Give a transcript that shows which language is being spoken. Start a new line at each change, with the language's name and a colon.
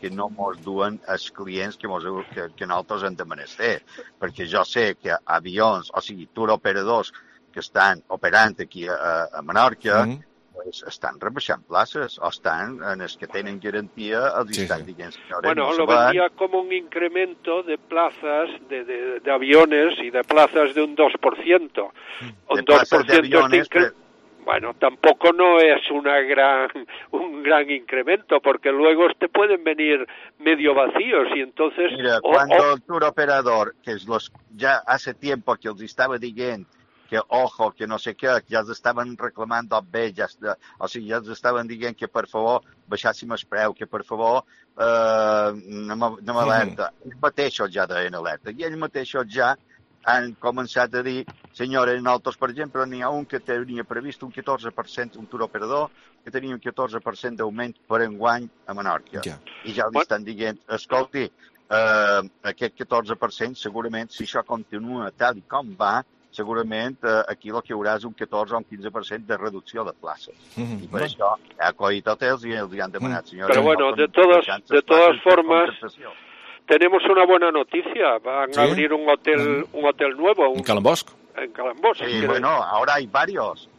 Catalan: que no mos duen els clients que nosaltres hem de menester. Perquè jo sé que avions, o sigui, tour operadors que estan operant aquí a Menorca, mm-hmm. pues estan rebaixant places, o estan en els que tenen garantia els estan dient...
Spanish: Bueno, lo vendía como un incremento de plazas, de aviones y de plazas de un 2%. Un 2% de incremento. Bueno, tampoco no es un gran incremento, porque luego te pueden venir medio vacíos y entonces... Mira, cuando el tour operador, que es los ya hace tiempo que os estaba diciendo que ojo, que no sé qué, ya os estaban reclamando a bellas, o sea, ya os estaban diciendo que por favor
Catalan: baixéssim el preu, que per favor no alerta.
Spanish: Sí.
Catalan: Ells mateixos ja deien alerta i ells mateixos ja han començat a dir, senyora, nosaltres, per exemple, n'hi ha un que tenia previst un 14%, un tour operador, que tenia un 14% d'augment per enguany a Menorca. Yeah. I ja li estan dient, escolti, aquest 14%, segurament, si això continua tal i com va, segurament aquí el que hi haurà és un 14 o un 15% de reducció de places. Mm-hmm. I per això, ha acollit hotels i els han demanat, senyora... Però bueno, de totes formes...
Spanish: Tenemos una buena noticia, van a abrir un hotel nuevo. En Can Bosc. En Can Bosc. Sí, bueno, ahora hay varios.